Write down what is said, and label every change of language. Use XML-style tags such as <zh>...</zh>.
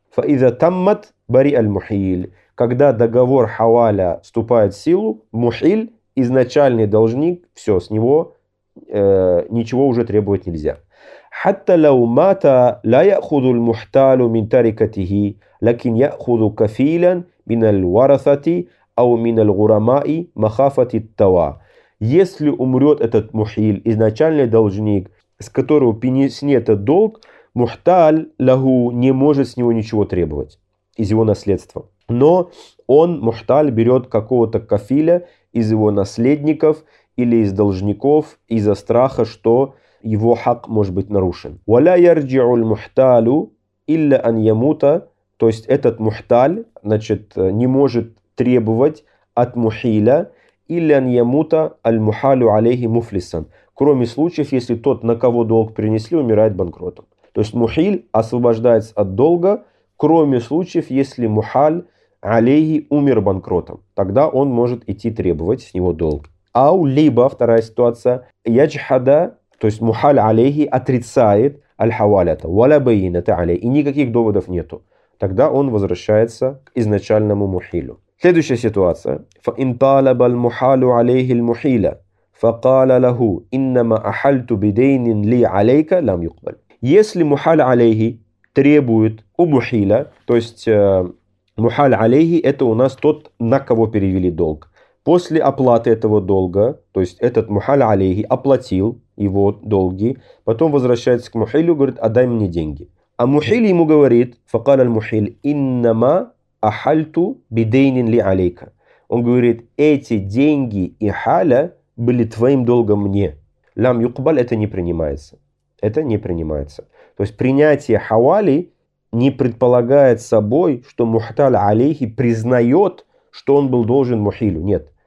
<ar>Фаиза таммат бари аль-мухиль.</ar> <ru>Когда договор хаваля вступает в силу, мухиль – изначальный должник, все, с него ничего уже требовать нельзя.</ru> <ar>Хатта лау мата ла якхуду аль-мухталу мин тарикатихи. لكن يأخذ كفيلا من الورثة أو من الغرماء مخافة التوا.</ar> <ru>Если умрет этот мухиль, изначальный должник, с которого принесли этот долг, мухталь лаху не может с него ничего требовать из его наследства. Но он, мухталь, берет какого-то кафиля из его наследников или из должников из-за страха, что его хак может быть нарушен.</ru> <ar>ولا يرجع المحتال إلا أن يموت.</ar> <ru>То есть этот мухталь, значит, не может требовать от мухиля или</ru> <ar>ан ямута аль-мухалю алейхи муфлисан,</ar> <ru>кроме случаев, если тот, на кого долг принесли, умирает банкротом. То есть мухиль освобождается от долга, кроме случаев, если мухаль алейхи умер банкротом. Тогда он может идти требовать с него долг. Ау, либо, вторая ситуация, яджхада, то есть мухаль алейхи отрицает</ru> <ar>аль-хаваля-та, валя-байина-та алейхи,</ar> <ru>и никаких доводов нету. Тогда он возвращается к изначальному мухилю. Следующая ситуация.</ru> <ar>فَإِنْ طَالَبَ الْمُحَالُ عَلَيْهِ الْمُحِيلَ فَقَالَ لَهُ إِنَّمَا أَحَلْتُ بِدَيْنٍ لِي عَلَيْكَ لَمْ يُقْبَلِ.</ar> <ru>Если мухаль алейхи требует у мухиля, то есть мухаль алейхи это у нас тот, на кого перевели долг. После оплаты этого долга, то есть этот мухаль алейхи оплатил его долги, потом возвращается к мухилю, говорит, отдай мне деньги. А мухиль ему говорит,</ru> <ar>فقال المحيل إنما أحلت بدين لي عليك.</ar> <ru>Он говорит, эти деньги и халя были твоим долгом мне.</ru> <ar>Лам юкбаль,</ar> <ru>это не принимается. Это не принимается. То есть принятие хавали не предполагает собой, что мухталь алейхи признает, что он был должен мухилю. Нет.</ru>